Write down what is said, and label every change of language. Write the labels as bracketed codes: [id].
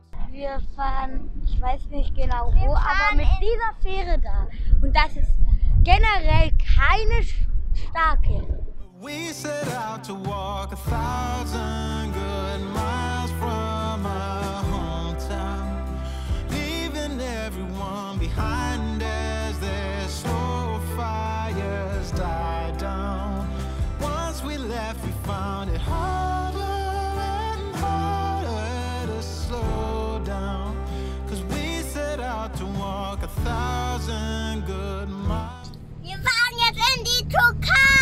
[de] Wir fahren, ich weiß nicht genau wo, aber mit dieser Fähre da. Und das ist generell keine starke. [en] We set out to walk 1,000 good miles from our hometown, leaving everyone behind as their slow fires die down. Once we left, we found it harder and harder to slow down, 'cause we set out to walk 1,000 good miles. [de] Wir fahren jetzt in die Türkei!